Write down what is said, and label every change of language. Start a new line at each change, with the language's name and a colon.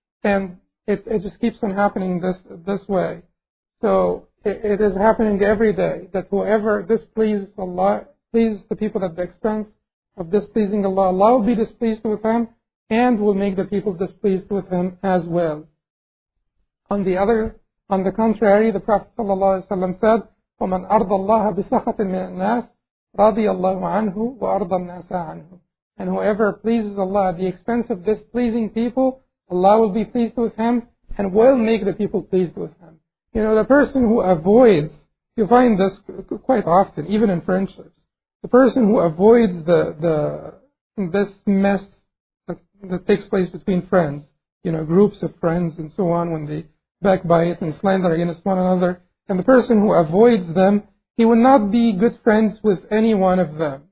English: And it just keeps on happening this way. So it is happening every day that whoever displeases Allah, pleases the people at the expense of displeasing Allah, Allah will be displeased with him and will make the people displeased with him as well. On the contrary, the Prophet ﷺ said,
Arabic: وَمَنْ أَرْضَ اللَّهَ بِسَخَطٍ مِنَ النَّاسِ رَضِيَ اللَّهُ عَنْهُ وَأَرْضَ النَّاسَ عَنْهُ.
English: And whoever pleases Allah at the expense of displeasing people, Allah will be pleased with him and will make the people pleased with him. You know, the person who avoids, you find this quite often, even in friendships, the person who avoids this mess that takes place between friends, you know, groups of friends and so on, when they backbite and slander against one another, and the person who avoids them, he will not be good friends with any one of them.